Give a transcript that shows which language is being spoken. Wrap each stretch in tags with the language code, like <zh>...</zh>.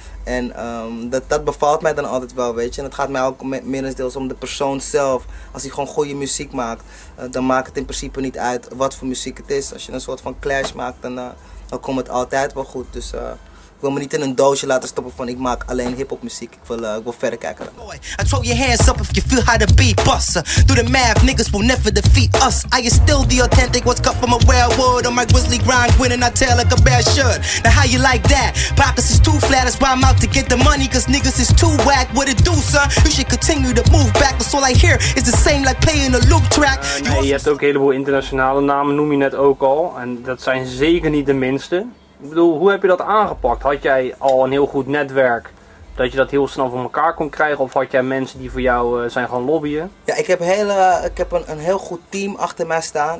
<nl>En dat bevalt mij dan altijd wel, weet je. En het gaat mij ook minstens om de persoon zelf. Als hij gewoon goede muziek maakt, dan maakt het in principe niet uit wat voor muziek het is. Als je een soort van clash maakt, dan komt het altijd wel goed. Dus... ik wil me niet in een doosje laten stoppen van ik maak alleen hip-hop muziek. Ik wil verder kijken.</nl> <en>I throw your hands up if you feel how to be boss. Do the math, niggas will never defeat us. I am still the authentic, what's cut from a railroad. On my grizzly grind, winning, I tear like a bear shirt. Now how you like that? Pockets is too flat, that's why I'm out to get the money. Cause niggas is too whack, what it do, son? You should continue to move back. Cause all I hear is the same like playing a loop track.</en> <nl>Je hebt ook een heleboel internationale namen, noem je net ook al. En dat zijn zeker niet de minste. Ik bedoel, hoe heb je dat aangepakt? Had jij al een heel goed netwerk dat je dat heel snel voor elkaar kon krijgen? Of had jij mensen die voor jou zijn gaan lobbyen? Ja, ik heb een heel goed team achter mij staan.</nl>